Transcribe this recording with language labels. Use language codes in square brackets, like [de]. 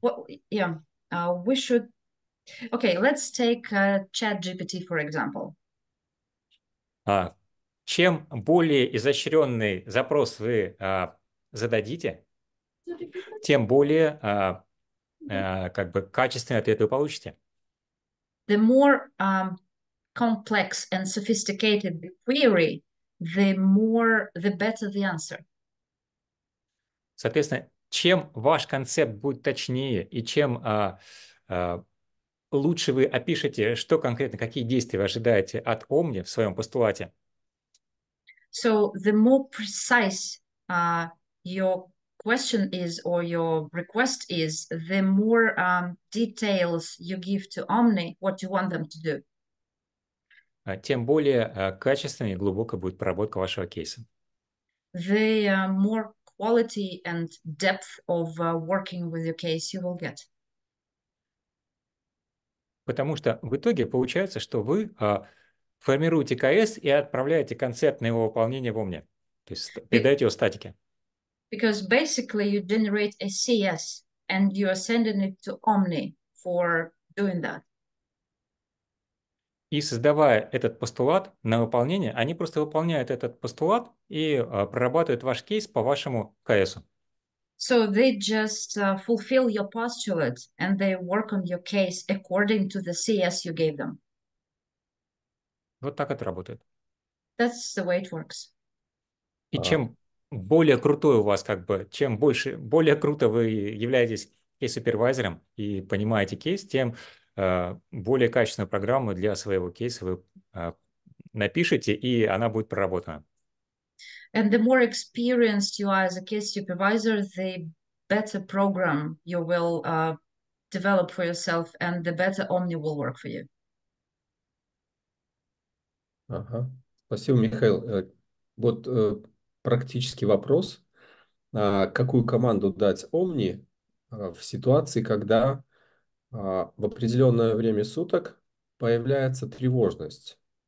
[en] We should. Okay, let's take Chat GPT for example. [ru] Чем более изощренный запрос вы зададите, тем более как бы качественный ответ вы получите. [en] The more complex and sophisticated the query, the better the answer. [ru] Соответственно, чем ваш концепт будет точнее и чем лучше вы опишете, что конкретно, какие действия вы ожидаете от Омни в своем постулате, [en] So the more precise your question is or your request is, the more details you give to Omni what you want them to do. [ru] тем более качественной и глубокой будет проработка вашего кейса. [en] The more quality and depth of working with your case you will get. [ru] Потому что в итоге получается, что вы формируете КС и отправляете концепт на его выполнение в Омне. То есть передаете его статике. [en] Because basically you generate a CS and you are sending it to Omni for doing that. [ru] И создавая этот постулат на выполнение, они просто выполняют этот постулат и прорабатывают ваш кейс по вашему КС. [en] So they just fulfill your postulate and they work on your case according to the CS you gave them. [ru] Вот так это работает. [en] That's the way it works. [ru] И чем более крутой у вас, как бы, чем больше, более круто вы являетесь кейс-супервайзером и понимаете кейс, тем более качественную программу для своего кейса вы напишете, и она будет проработана. [en] And the more experienced you are as a case supervisor, the better program you will develop for yourself, and the better Omni will work for you. [ru] Ага. Спасибо, Михаил. Вот практический вопрос. Какую команду дать Omni в ситуации, когда в определенное время суток появляется тревожность?